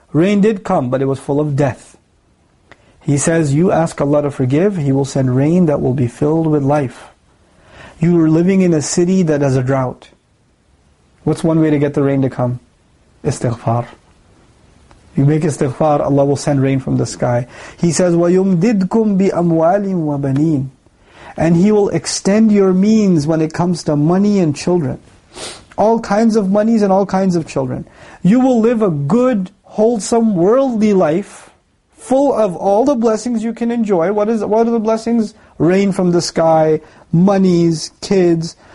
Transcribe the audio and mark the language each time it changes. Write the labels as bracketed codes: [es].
[en] Rain did come, but it was full of death. He says, you ask Allah to forgive, He will send rain that will be filled with life. You are living in a city that has a drought. What's one way to get the rain to come? Istighfar. You make istighfar, Allah will send rain from the sky. He says, [ar] وَيُمْدِدْكُمْ بِأَمْوَالٍ وَبَنِينَ. [en] And He will extend your means when it comes to money and children. All kinds of monies and all kinds of children. You will live a good, wholesome, worldly life, full of all the blessings you can enjoy. What are the blessings? Rain from the sky, monies, kids.